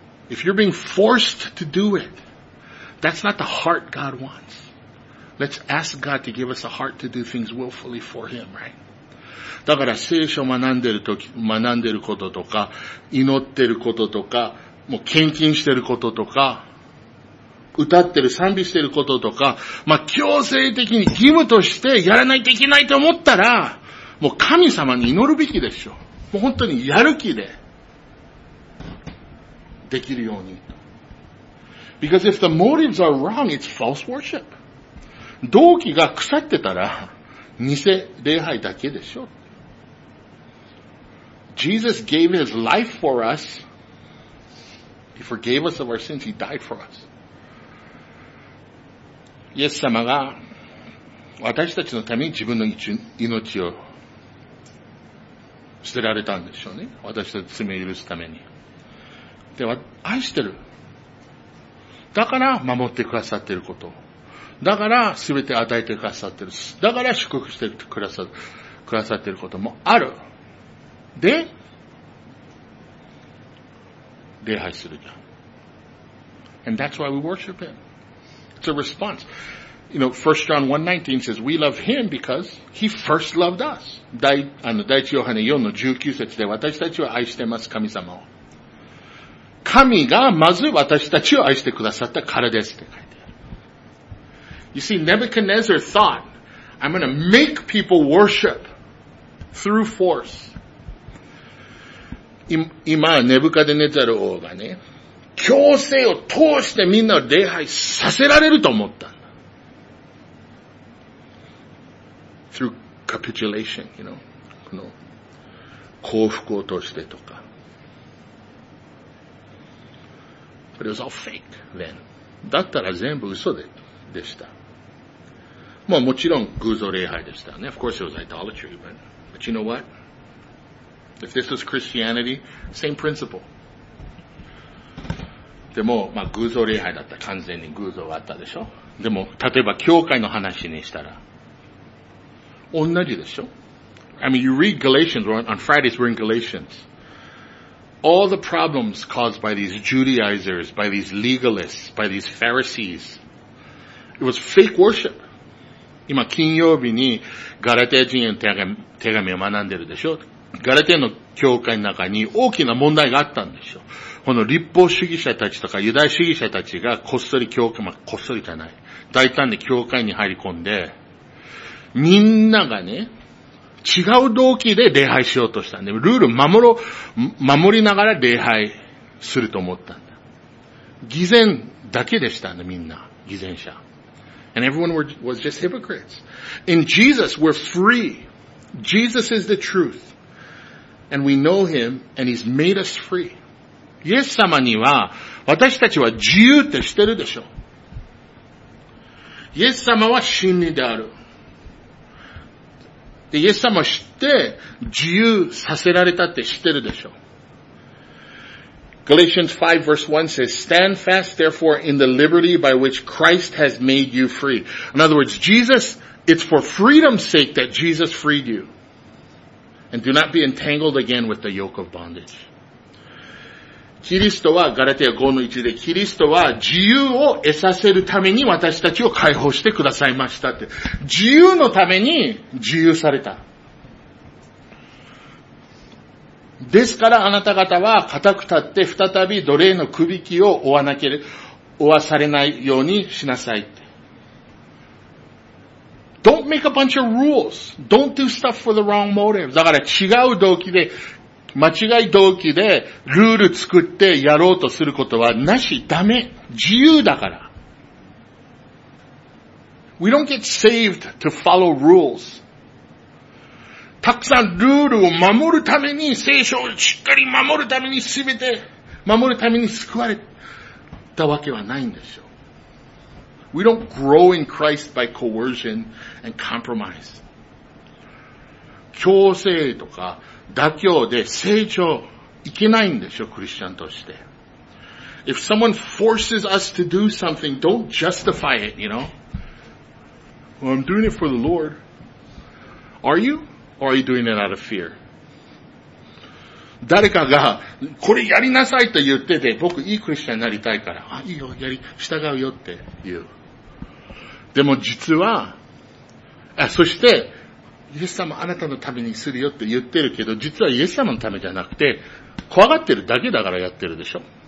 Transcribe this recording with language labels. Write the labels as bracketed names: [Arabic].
[English] If you're being forced to do it, that's not the heart God wants. Let's ask God to give us a heart to do things willfully for Him, right? [Japanese] だから聖書を学んでるとき、学んでることとか、祈ってることとか、もう献金してることとか、歌ってる、賛美してることとか、まあ、強制的に義務としてやらないといけないと思ったら、もう神様に祈るべきでしょ。もう本当にやる気で、できるように。 [English] Because if the motives are wrong, it's false worship. [Japanese] 動機が腐ってたら、偽礼拝だけでしょ。 [English] Jesus gave his life for us. He forgave us of our sins. He died for us. [Japanese] イエス様が私たちのために自分の命を捨てられたんでしょうね。私たちの罪を許すために。では、愛してる。だから守ってくださっていること。だから全て与えてくださっている。だから祝福してくださっていることもある。で、礼拝するじゃん。 [English] And that's why we worship him. It's a response. You know, 1 John 1:19 says, we love him because he first loved us. [Japanese] 第1ヨハネ4の19節で私たちを愛してます、神様を。神がまず私たちを愛してくださったからですって書いてある。 [English] You see, Nebuchadnezzar thought, I'm going to make people worship through force. [Japanese] 今、ネブカデネザル王がね、強制を通してみんなを礼拝させられると思った。 [English] Through capitulation, you know, [Japanese] この降伏を通してとか。 [English] But it was all fake then. [Japanese] だったら全部嘘でした。まあもちろん偶像礼拝でしたね。 [English] Of course it was idolatry, but you know what? If this was Christianity, same principle. [Japanese] でも、まあ、偶像礼拝だった。完全に偶像があったでしょ。でも、例えば、教会の話にしたら、同じでしょ。 [English] I mean, you read Galatians, on Fridays we're in Galatians. All the problems caused by these Judaizers, by these legalists, by these Pharisees, it was fake worship. [Japanese] 今、金曜日に、ガラテヤ人への手紙を学んでるでしょ。ガラテンの教会の中に大きな問題があったんですよ。この立法主義者たちとかユダヤ主義者たちがこっそり教会、まあ、こっそりじゃない。大胆で教会に入り込んで、みんながね、違う動機で礼拝しようとしたんで、ルール守りながら礼拝すると思ったんだ。偽善だけでしたんだ、みんな。偽善者。 [English] And everyone was just hypocrites. In Jesus, we're free. Jesus is the truth. And we know him, and he's made us free. [Japanese] イエス様には、私たちは自由って知ってるでしょ。イエス様は真理である。で、イエス様は知って、自由させられたって知ってるでしょ。 [English] Galatians 5 verse 1 says, Stand fast therefore in the liberty by which Christ has made you free. In other words, Jesus, it's for freedom's sake that Jesus freed you. And do not be entangled again with the yoke of bondage. [Japanese] キリストはガラテヤ5の1でキリストは自由を得させるために私たちを解放してくださいましたって。自由のために自由された。ですからあなた方は固く立って再び奴隷の首輝きを負わされないようにしなさいって。 [English] Don't make a bunch of rules. Don't do stuff for the wrong motive. [Japanese] だから違う動機で、間違い動機でルール作ってやろうとすることはなし、ダメ。自由だから。 [English] We don't get saved to follow rules. [Japanese] たくさんルールを守るために、聖書をしっかり守るために全て守るために救われたわけはないんですよ。 [English] We don't grow in Christ by coercion and compromise. [Japanese] 強制とか妥協で成長いけないんでしょ、クリスチャンとして。 [English] If someone forces us to do something, don't justify it, you know? Well, I'm doing it for the Lord. Are you? Or are you doing it out of fear? [Japanese] 誰かがこれやりなさいと言ってて、僕いいクリスチャンになりたいから、あ、いいよ、やり、従うよって言う。でも実は、あ、そして、イエス様あなたのためにするよって言ってるけど、実はイエス様のためじゃなくて、怖がってるだけだからやってるでしょ。